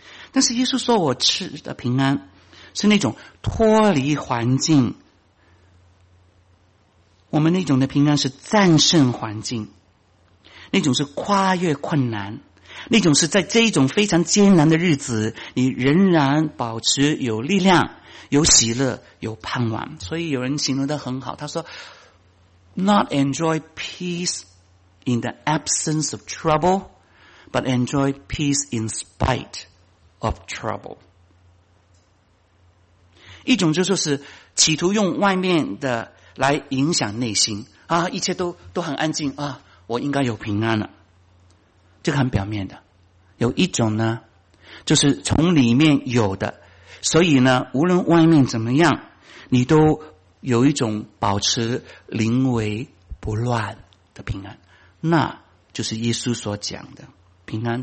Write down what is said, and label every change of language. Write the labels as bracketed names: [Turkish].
[Chinese] 但是耶稣说我吃的平安是那种脱离环境，我们那种的平安是战胜环境，那种是跨越困难，那种是在这一种非常艰难的日子你仍然保持有力量，有喜乐，有盼望。所以有人形容得很好，他说 [English] Not enjoy peace in the absence of trouble but enjoy peace in spite of trouble。 [Chinese] 一种就是企图用外面的来影响内心啊，一切都很安静啊，我应该有平安了，这个很表面的。有一种呢，就是从里面有的，所以呢无论外面怎么样，你都有一种保持临危不乱的平安，那就是耶稣所讲的平安。